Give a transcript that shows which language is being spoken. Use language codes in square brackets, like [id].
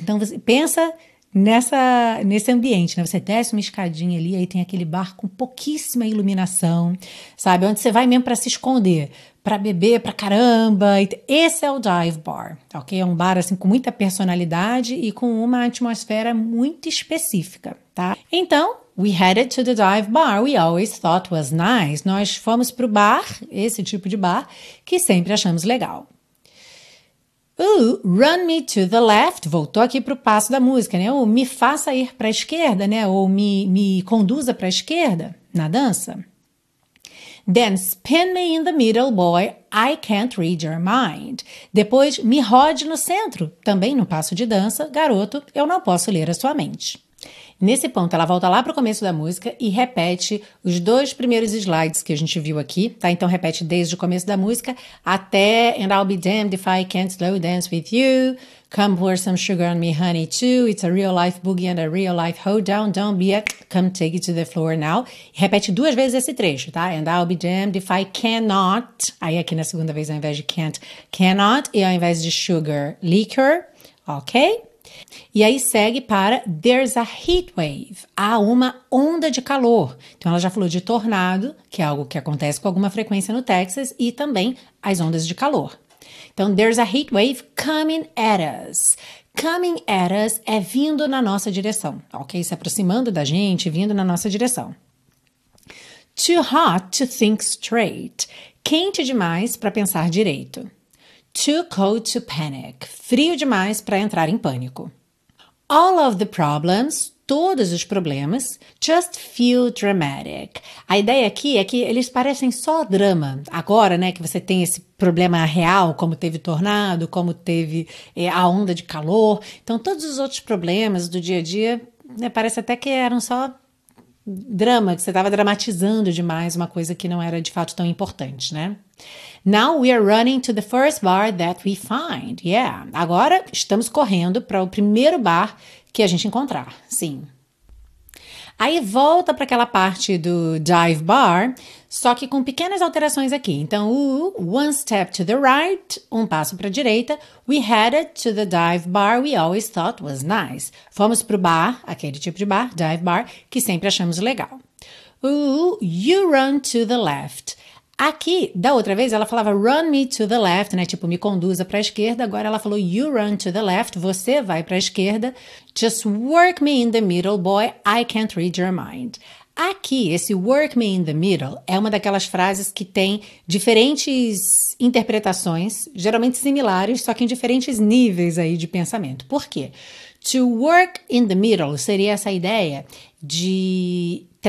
[pt] Então, você pensa nesse ambiente, né? Você desce uma escadinha ali, aí tem aquele bar com pouquíssima iluminação, sabe? Onde você vai mesmo para se esconder, para beber para caramba. Esse é o dive bar, ok? É um bar, assim, com muita personalidade e com uma atmosfera muito específica, tá? [en] Então, we headed to the dive bar we always thought was nice. [pt] Nós fomos pro bar, esse tipo de bar, que sempre achamos legal. [en] Ooh, run me to the left. [pt] Voltou aqui pro passo da música, né? Ou me faça ir pra esquerda, né? Ou me conduza pra esquerda na dança. [en] Then spin me in the middle, boy. I can't read your mind. [pt] Depois, me rode no centro. Também no passo de dança. Garoto, eu não posso ler a sua mente. Nesse ponto, ela volta lá para o começo da música e repete os dois primeiros slides que a gente viu aqui, tá? Então, repete desde o começo da música até [en] "And I'll be damned if I can't slow dance with you. Come pour some sugar on me, honey, too. It's a real life boogie and a real life hoedown. Don't be a... Come take it to the floor now." [pt] Repete duas vezes esse trecho, tá? [en] "And I'll be damned if I cannot..." [pt] Aí, aqui na segunda vez, ao invés de "can't", "cannot", e ao invés de "sugar", "liquor", ok? E aí segue para [en] "There's a heat wave", [pt] há uma onda de calor. Então ela já falou de tornado, que é algo que acontece com alguma frequência no Texas, e também as ondas de calor. [en] Então, "There's a heat wave coming at us." [pt] Coming at us é vindo na nossa direção, ok? Se aproximando da gente, vindo na nossa direção. [en] "Too hot to think straight", [pt] quente demais para pensar direito. [en] "Too cold to panic", [pt] frio demais para entrar em pânico. [en] "All of the problems", [pt] todos os problemas, [en] "just feel dramatic". [pt] A ideia aqui é que eles parecem só drama. Agora, né, que você tem esse problema real, como teve tornado, como teve a onda de calor. Então, todos os outros problemas do dia a dia, né, parece até que eram só drama, que você estava dramatizando demais uma coisa que não era de fato tão importante, né? [en] "Now we are running to the first bar that we find." [pt] Yeah, agora estamos correndo para o primeiro bar que a gente encontrar, sim. Aí volta para aquela parte do dive bar, só que com pequenas alterações aqui. Então, [en] "one step to the right", [pt] um passo para a direita. [en] "We headed to the dive bar we always thought was nice." [pt] Fomos para o bar, aquele tipo de bar, dive bar, que sempre achamos legal. [en] "You run to the left." [pt] Aqui, da outra vez, ela falava [en] "run me to the left", [pt] né? Tipo, me conduza para a esquerda. Agora ela falou [en] "you run to the left", [pt] você vai para a esquerda. [en] "Just work me in the middle, boy, I can't read your mind." [pt] Aqui, esse [en] "work me in the middle" [pt] é uma daquelas frases que tem diferentes interpretações, geralmente similares, só que em diferentes níveis aí de pensamento. Por quê? [en] "To work in the middle" [pt] seria essa ideia de